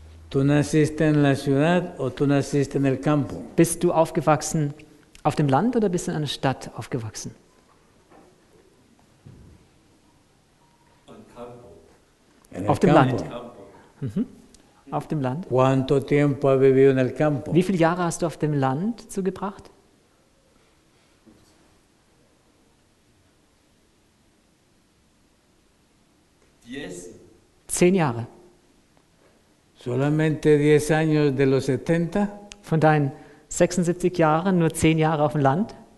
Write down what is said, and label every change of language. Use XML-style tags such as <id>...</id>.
<es>Tu naciste en la ciudad o tu naciste en el campo?</es> <de>Bist du aufgewachsen auf dem Land oder bist du in einer Stadt aufgewachsen? Am</de> <es>campo.</es> <de>Auf dem Land. Auf dem Land.</de> <es>¿Cuánto tiempo ha vivido en el campo?</es> <de>Wie viele Jahre hast du auf dem Land zugebracht? Zehn Jahre.</de> <es>Solamente 10 años de los 70?</es> <de>Von deinen 76 Jahren nur 10 Jahre auf dem Land?</de>